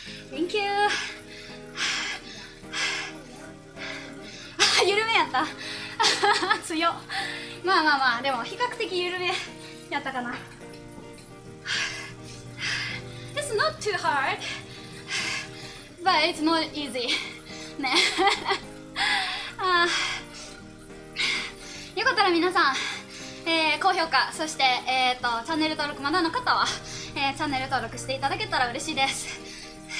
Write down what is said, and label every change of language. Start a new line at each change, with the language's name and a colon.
English: Thank you。
Japanese: 緩めやった。強っ。まあまあまあ、でも比較的緩めやったかな。
English: It's not too hard but it's not easy ね。
Japanese: あ、よかったら皆さん、高評価、そして、チャンネル登録まだの方は、チャンネル登録していただけたら嬉しいです。